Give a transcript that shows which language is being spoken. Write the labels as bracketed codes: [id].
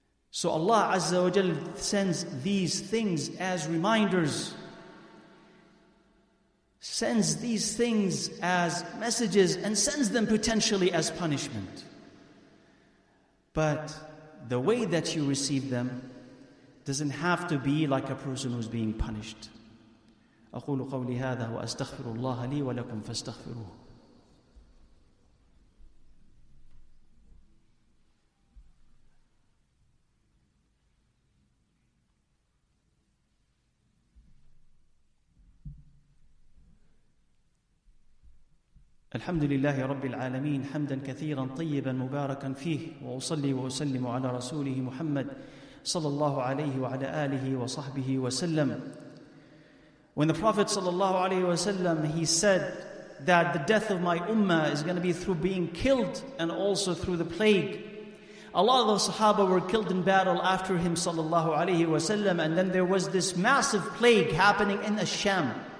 [en] So Allah Azza wa Jal sends these things as reminders, sends these things as messages, and sends them potentially as punishment. But the way that you receive them doesn't have to be like a person who's being punished. [ar] أقول قولي هذا وأستغفر الله لي ولكم فاستغفروه. الحمد لله رب العالمين حمدا كثيرا طيبا مباركا فيه وأصلي وأسلم على رسوله محمد صلى الله عليه وعلى آله وصحبه وسلم. [en] When the Prophet صلى الله عليه وسلم, he said that the death of my ummah is going to be through being killed and also through the plague. A lot of the Sahaba were killed in battle after him صلى الله عليه وسلم, and then there was this massive plague happening in Ash-Sham.